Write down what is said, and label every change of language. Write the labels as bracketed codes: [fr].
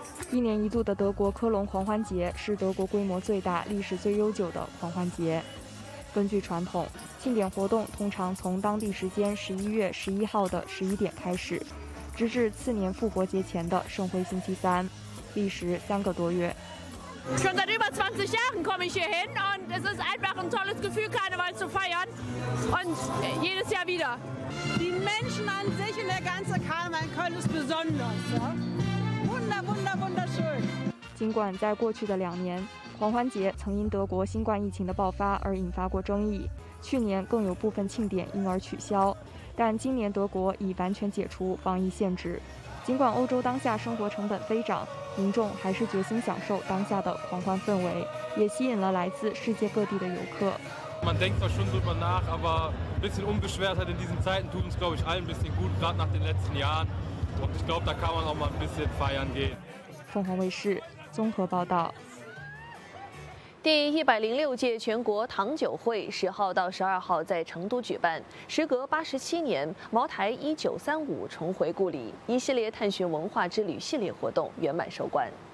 [zh] 一年一度的德国科隆狂欢节是德国规模最大、历史最悠久的狂欢节。根据传统，庆典活动通常从当地时间11月11号的11点开始，直至次年复活节前的盛会星期三，历时3个多月。 [de] Schon seit über 20 Jahren komme ich hier hin und es ist einfach ein tolles Gefühl, Karneval zu feiern und jedes Jahr wieder. Die Menschen an sich und der ganze Karneval in Köln ist besonders, wunderschön. [zh] 尽管在过去的2年，狂欢节曾因德国新冠疫情的爆发而引发过争议，去年更有部分庆典因而取消，但今年德国已完全解除防疫限制。尽管欧洲当下生活成本飞涨，民众还是决心享受当下的狂欢氛围，也吸引了来自世界各地的游客。 [de] Man denkt zwar schon drüber nach, aber ein bisschen Unbeschwertheit in diesen Zeiten tut uns, glaube ich, allen ein bisschen gut, gerade nach den letzten Jahren. Und ich glaube, da kann man auch mal ein bisschen feiern gehen. [zh] 凤凰卫视综合报道。第106届全国糖酒会10号到12号在成都举办，时隔87年，茅台1935重回故里，一系列探寻文化之旅系列活动圆满收官。